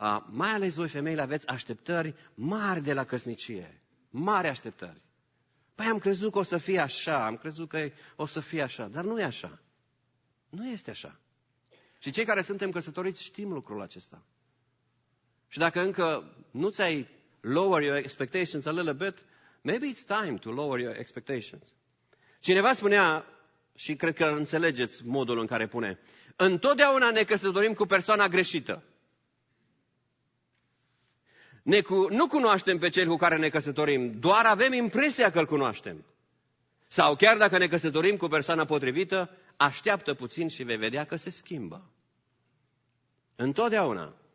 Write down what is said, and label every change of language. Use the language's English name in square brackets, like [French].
[Romanian] Mai ales voi, femeile, aveți așteptări mari de la căsnicie. Mari așteptări. Păi am crezut că o să fie așa, am crezut că o să fie așa, dar nu e așa. Nu este așa. Și cei care suntem căsătoriți știm lucrul acesta. Și dacă încă nu ți-ai [English] lower your expectations a little bit, maybe it's time to lower your expectations. [Romanian] Cineva spunea, și cred că înțelegeți modul în care pune, întotdeauna ne căsătorim cu persoana greșită. Nu cunoaștem pe cel cu care ne căsătorim, doar avem impresia că îl cunoaștem. Sau chiar dacă ne căsătorim cu persoana potrivită, așteaptă puțin și vei vedea că se schimbă. Întotdeauna.